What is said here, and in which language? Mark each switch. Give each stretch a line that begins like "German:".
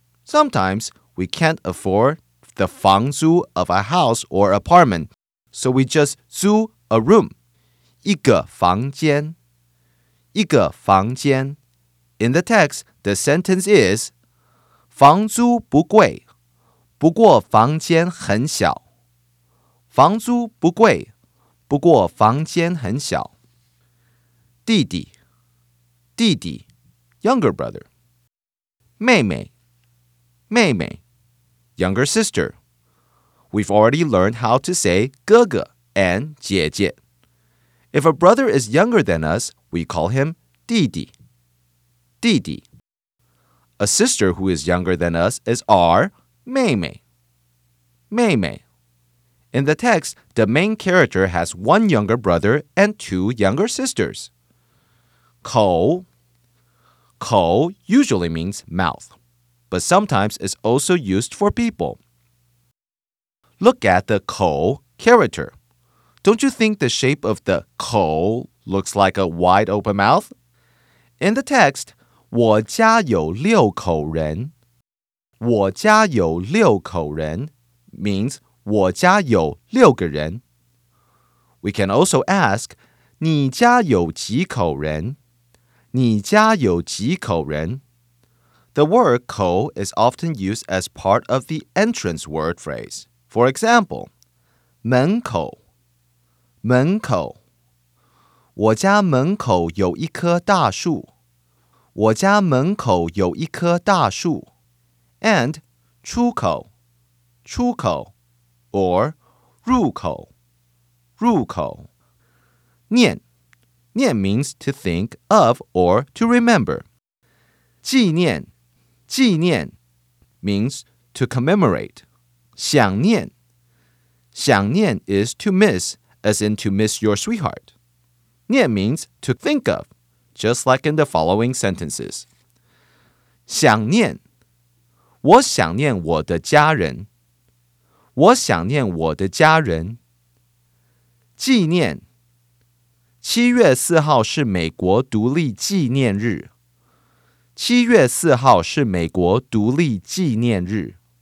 English: Sometimes we can't afford the 房租 of a house or apartment, so we just 租 a room.
Chinese: 一个房间, 一个房间.
English: In the text, the sentence is
Chinese: 房租不贵, 不过房间很小. 房租不贵, 不过房间很小. 弟弟, 弟弟,
English: younger brother.
Chinese: 妹妹, 妹妹,
English: younger sister. We've already learned how to say 哥哥 and 姐姐. If a brother is younger than us, we call him 弟弟, 弟弟. A sister who is younger than us is our 妹妹, 妹妹. In the text, the main character has one younger brother and two younger sisters. 口, 口 usually means mouth, but sometimes is also used for people. Look at the 口 character. Don't you think the shape of the 口 looks like a wide open mouth? In the text,
Chinese: 我家有六口人. 我家有六口人
English: means
Chinese: 我家有六个人.
English: We can also ask
Chinese: 你家有几口人? 你家有几口人?
English: The word 口 is often used as part of the entrance word phrase. For example,
Chinese: 门口门口我家门口有一棵大树我家门口有一棵大树 and 出口出口 or 入口入口念念
English: means to think of or to remember.
Chinese: 纪念纪念
English: means to commemorate.
Chinese: 想念想念
English: is to miss, as in to miss your sweetheart. 念 means to think of, just like in the following sentences.
Chinese: 想念我想念我的家人我想念我的家人纪念7月4号是美国独立纪念日。7月4号是美国独立纪念日。